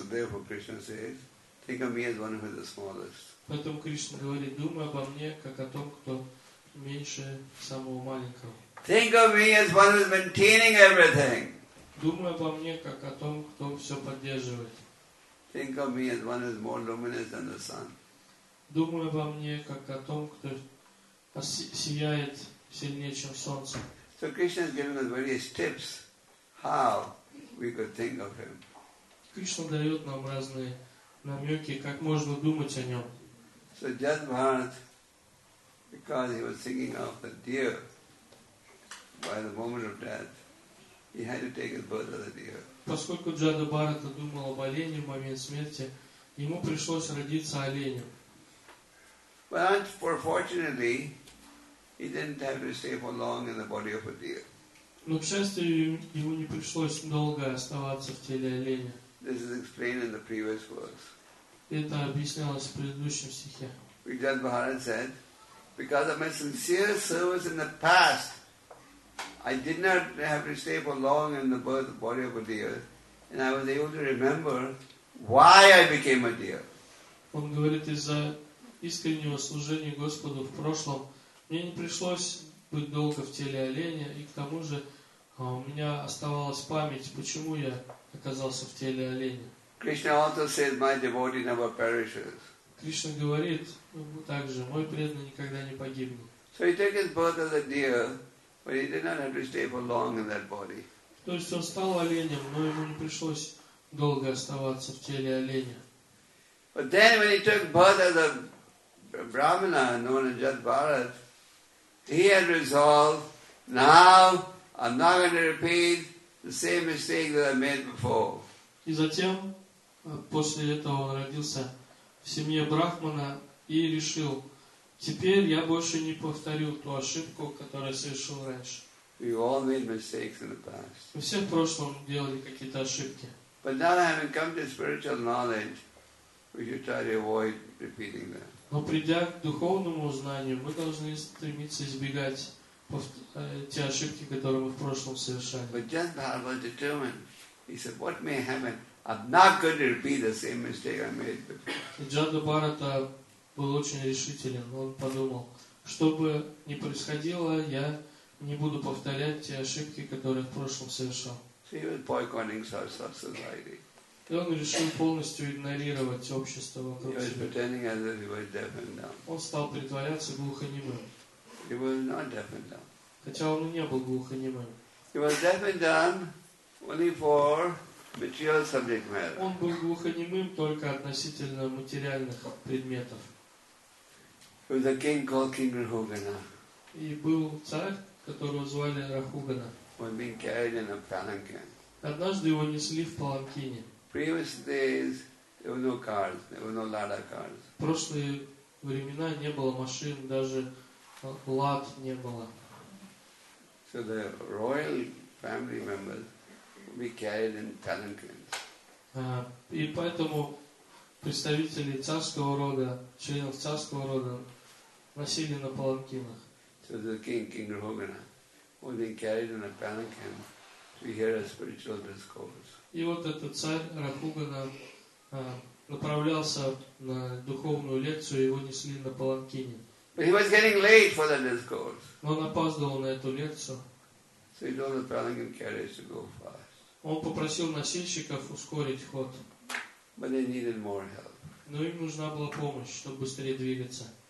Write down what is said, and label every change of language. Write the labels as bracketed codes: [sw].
[en] So therefore Krishna says, think of me as one who is the smallest. [ru] Поэтому Кришна говорит, думай обо мне, как о том, кто меньше самого маленького. [en] Think of me as one who's maintaining everything. [ru] Думай обо мне как о том, кто все поддерживает. [en] Think of me as one who's more luminous than the sun. [ru] Думай обо мне как о том, кто сияет сильнее, чем солнце. [en] So Krishna is giving us various tips how we could think of him. [ru] Кришна дает нам разные намеки, как можно думать о нем. [en] So just Bharat, because he was thinking of the deer by the moment of death, he had to take his birth as a deer. [ru] Поскольку Джада Бхарата думал об олене в момент смерти, ему пришлось родиться оленем. [en] But unfortunately, he didn't have to stay for long in the body of a deer. [ru] Но, к счастью, ему не пришлось долго оставаться в теле оленя. [en] This is explained in the previous verse. [ru] Это объяснялось в предыдущем стихе. [en] Vijayan Bharat said, because of my sincere service in the past, I did not have to stay for long in the birth body of a deer, and I was able to remember why I became a deer. [ru] Он говорит, из-за искреннего служения Господу в прошлом, мне не пришлось быть долго в теле оленя, и к тому же у меня оставалась память, почему я оказался в теле оленя. [en] Krishna also says, my devotee never perishes. [ru] Кришна говорит также, мой преданный никогда не погибнет. [en] So he took his birth as a deer, but he did not have to stay for long in that body. [ru] То есть он стал оленем, но ему не пришлось долго оставаться в теле оленя. [en] But then when he took birth as a brahmana, known as Jat Bharat, he had resolved, now I'm not going to repeat the same mistake that I made before. [ru] И затем, после этого он родился в семье брахмана и решил, теперь я больше не повторю ту ошибку, которую совершил раньше. [en] We all made mistakes in the past. [ru] Мы все в прошлом делали какие-то ошибки. [en] But now having come to spiritual knowledge, we should try to avoid repeating them. [ru] Но придя к духовному знанию, мы должны стремиться избегать те ошибки, которые мы в прошлом совершали. [en] But Jat Bharat was determined. He said, what may happen? I'm not going to repeat the same mistake I made before. [ru] Джада Бхарата был очень решителен. Он подумал, что бы ни происходило, я не буду повторять те ошибки, которые в прошлом совершал. [en] So he was boycotting society. [ru] И он решил полностью игнорировать общество вокруг себя. [en] He was pretending as if he was deaf and dumb. [ru] Он стал притворяться глухонемым. [en] He was not deaf and dumb. [ru] Хотя он и не был глухонемым. [en] He was deaf and dumb only for material subject matter. [ru] Он был глухонемым только относительно материальных предметов. [en] He was a king called King Rahugana. [ru] И был царь, которого звали Рахугана. [en] Was being carried in a palanquin. [ru] Однажды его несли в паланкине. [en] Previous days there were no cars, there were no Lada cars. [ru] В прошлые времена не было машин, даже лад не было. [en] So the royal family members would be carried in palanquins. [ru] И поэтому представители царского рода, членов царского рода, носили на паланкинах. [en] So the king Rahugana would be carried in a palanquin to hear a spiritual discourse. [ru] И вот этот царь Рахугана направлялся на духовную лекцию, его несли на паланкине. [en] But he was getting late for the discourse. [ru] Он опаздывал на эту лекцию. [en] So he told the palanquin carriage to go fast. [ru] Он попросил носильщиков ускорить ход. [en] But they needed more help. [ru] Но им нужна была помощь, чтобы быстрее двигаться.